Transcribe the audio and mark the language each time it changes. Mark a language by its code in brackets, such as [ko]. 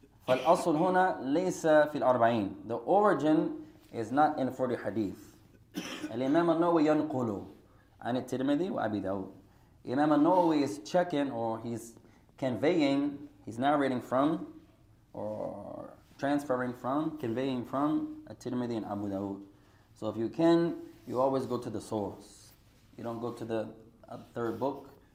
[ar] فالأصل هنا ليس في الأربعين. [en] The origin is not in 40 hadith. [ar] الإمام النووي ينقل عن الترمذي وأبي داود. [en] Imam al-Nawawi is checking or he's conveying, he's narrating from or transferring from, conveying from at-Tirmidhi and Abu Dawud. So if you can, you always go to the source. You don't go to the third book.